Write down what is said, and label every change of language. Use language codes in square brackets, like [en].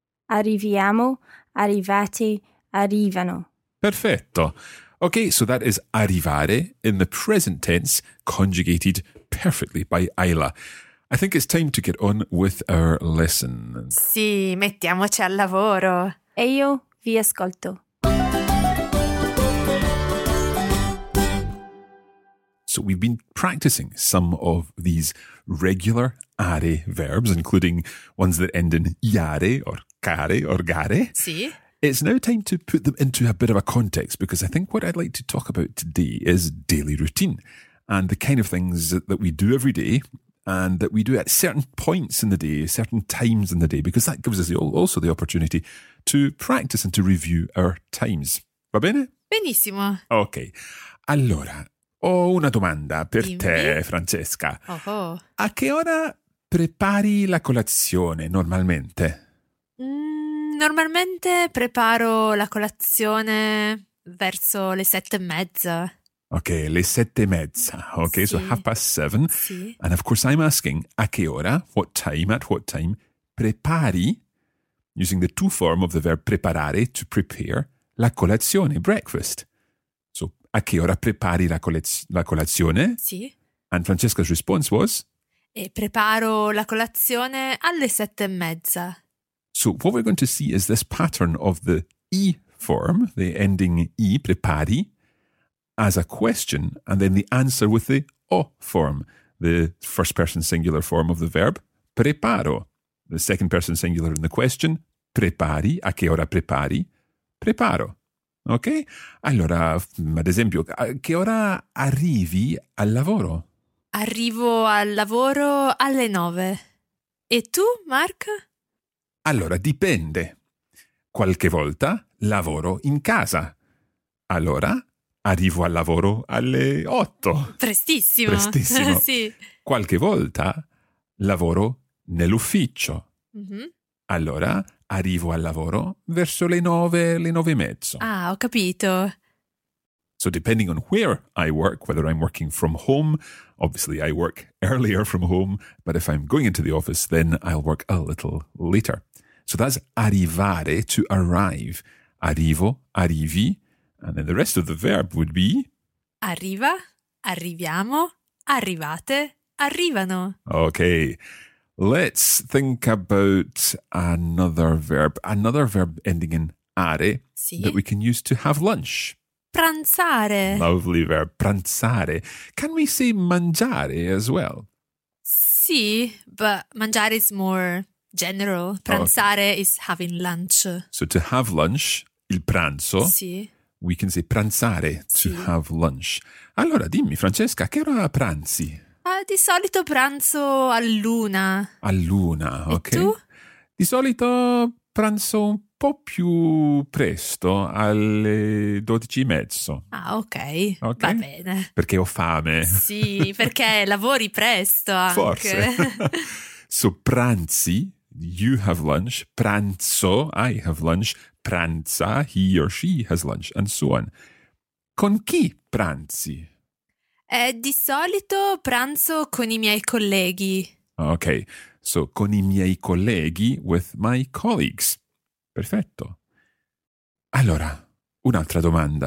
[it] Arriviamo, arrivati, arrivano. Perfetto. [en] Okay, so that is arrivare in the present tense, conjugated perfectly by Ayla. I think it's time to get on with our lesson. [it] Sì, mettiamoci al lavoro. E io vi ascolto. [en] So we've been practicing some of these regular are verbs, including ones that end in iare or care or gare. [it] Sì. [en] It's now time to put them into a bit of a context, because I think what I'd like to talk about today is daily routine and the kind of things that we do every day and that we do at certain points in the day, certain times in the day, because that gives us also the opportunity to practice and to review our times. [it] Va bene? Benissimo. Ok. Allora, ho una domanda per te, Francesca. Oh. A che ora prepari la colazione normalmente? Normalmente preparo la colazione verso le 7:30. Ok, le 7:30. Ok, sì. [en] So 7:30. [it] Sì. [en] And of course I'm asking, [it] a che ora, [en] what time, at what time, prepari, using the two form of the verb preparare, to prepare, la colazione, breakfast. [it] So, a che ora prepari la colazione? Sì. [en] And Francesca's response was? [it] E preparo la colazione alle 7:30. [en] So what we're going to see is this pattern of the I form, the ending I, prepari, as a question, and then the answer with the O form, the first person singular form of the verb, preparo. The second person singular in the question, prepari, [it] a che ora prepari, [en] preparo. Ok? [it] Allora, ad esempio, a che ora arrivi al lavoro? Arrivo al lavoro alle 9. E tu, Mark? Allora, dipende. Qualche volta lavoro in casa. Allora, arrivo al lavoro alle 8. Prestissimo. Prestissimo. Sì. Qualche volta lavoro nell'ufficio. Mm-hmm. Allora, arrivo al lavoro verso le nove e mezzo. Ah, ho capito. [en] So depending on where I work, whether I'm working from home, obviously I work earlier from home, but if I'm going into the office, then I'll work a little later. So that's arrivare, to arrive. Arrivo, arrivi, and then the rest of the verb would be... [it] Arriva, arriviamo, arrivate, arrivano. [en] Okay, let's think about another verb ending in are, [it] sì, [en] that we can use to have lunch. [it] Pranzare. [en] Lovely verb, pranzare. Can we say mangiare as well? Sì, but mangiare is more general. Pranzare, okay, is having lunch. So to have lunch, il pranzo, [it] sì, [en] we can say pranzare, to, [it] sì, [en] have lunch. [it] Allora dimmi, Francesca, che ora pranzi? Di solito pranzo all'una. All'una, ok. E tu? Di solito pranzo un po' più presto, alle 12:30. [en] Ah, okay. [it] Ok. Va bene. Perché ho fame. Sì, perché lavori presto anche. Forse. [en] So pranzi, you have lunch, pranzo, I have lunch, pranza, he or she has lunch, and so on. [it] Con chi pranzi? Di solito pranzo con i miei colleghi. [en] Ok, so [it] con i miei colleghi, [en] with my colleagues. Perfetto. [it] Allora, un'altra domanda.